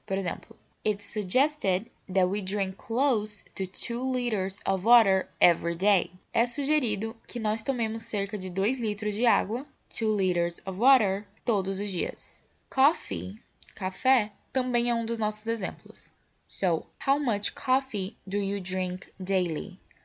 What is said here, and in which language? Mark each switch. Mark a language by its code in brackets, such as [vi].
[pt] Por exemplo, [en] it's suggested that we drink close to 2 liters of water every day. [pt] É sugerido que nós tomemos cerca de 2 litros de água, [en] 2 liters of water, [pt] todos os dias. Coffee, café, também é um dos nossos exemplos. [en] So, how much coffee do you drink daily?